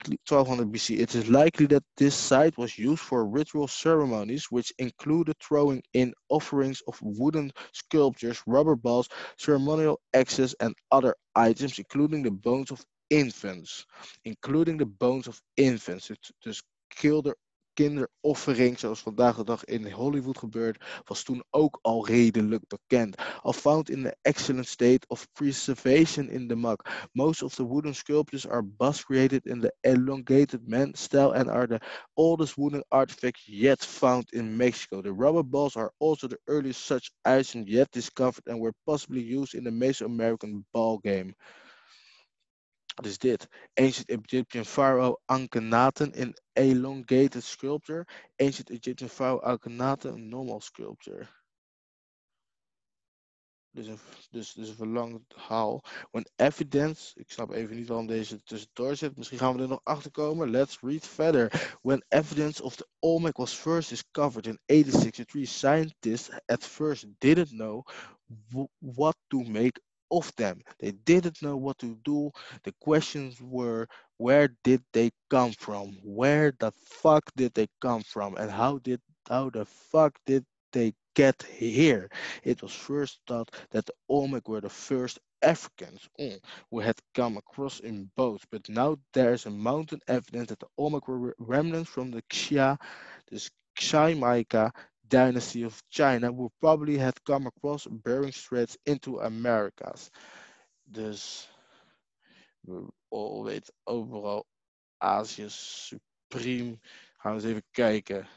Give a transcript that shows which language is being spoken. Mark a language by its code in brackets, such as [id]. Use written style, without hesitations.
[en] It is likely that this site was used for ritual ceremonies, which included throwing in offerings of wooden sculptures, rubber balls, ceremonial axes, and other items, including the bones of infants, including the bones of infants. [nl] Dus kinderoffering, zoals vandaag de dag in Hollywood gebeurt, was toen ook al redelijk bekend. [en] All found in an excellent state of preservation in the muck. Most of the wooden sculptures are bust created in the elongated man style and are the oldest wooden artifact yet found in Mexico. The rubber balls are also the earliest such item yet discovered and were possibly used in the Mesoamerican ball game. [nl] Wat is dit? [en] Ancient Egyptian pharaoh Akhenaten in elongated sculpture. Ancient Egyptian pharaoh Akhenaten, normal sculpture. [nl] Dus een verlangd haal. [en] When evidence, [nl] ik snap even niet waarom deze tussendoor zit. Misschien gaan we er nog achter komen. [en] Let's read further. When evidence of the Olmec was first discovered in 1863, scientists at first didn't know what to make of them. They didn't know what to do. The questions were, where did they come from? Where the fuck did they come from? And how the fuck did they get here? It was first thought that the Olmec were the first Africans who had come across in boats, but now there's a mountain evidence that the Olmec were remnants from the Xia, the Xiamaica dynasty of China, who probably had come across Bering Straits into Americas. [nl] Dus [en] we all [nl] weten overal Azië supreme. Gaan we eens even kijken.